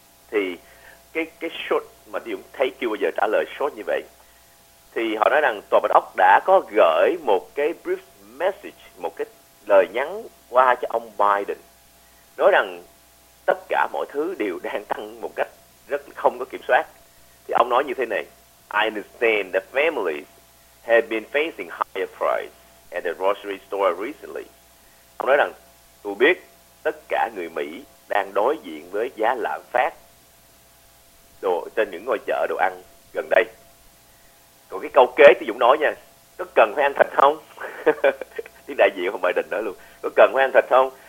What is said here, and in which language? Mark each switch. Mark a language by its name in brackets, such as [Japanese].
[Vietnamese] Thì cái short mà Dũng thấy kêu bây giờ trả lời short như vậy, thì họ nói rằng Tòa Bạch Ốc đã có gửi một cái [English] brief message, [Vietnamese] một cái lời nhắn qua cho ông Biden, nói rằng tất cả mọi thứ đều đang tăng một cách rất không có kiểm soát. Thì ông nói như thế này: [English] I understand that families have been facing higher prices at the grocery store recently. [Vietnamese] Ông nói rằng, tôi biết tất cả người Mỹ đang đối diện với giá lạm phát đồ trên những ngôi chợ đồ ăn gần đây. Còn cái câu kế thì Dũng nói nha, có cần phải ăn thịt không? Thì đại diện của Biden nói luôn, có cần phải ăn thịt không?